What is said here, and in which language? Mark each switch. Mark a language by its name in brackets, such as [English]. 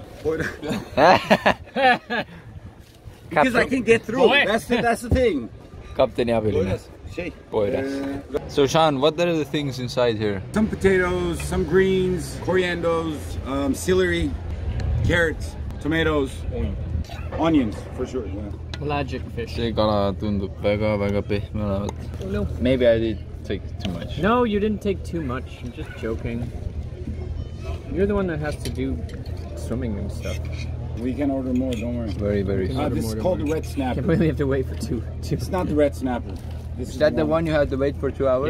[English] Because I can get through. That's the thing. Captain Abilene. Poiras. So Sean, what are the things inside here? Some potatoes, some greens, coriandos, celery, carrots, tomatoes, onions for sure. Pelagic fish. [Estonian] See kala tundub väga väga pehme olevat. [English] Maybe I did take too much. No, you didn't take too much. I'm just joking. You're the one that has to do swimming and stuff. We can order more, don't worry. Very. This is called the red snapper. You really have to wait for two. It's not the red snapper. This is that the one you had to wait for 2 hours?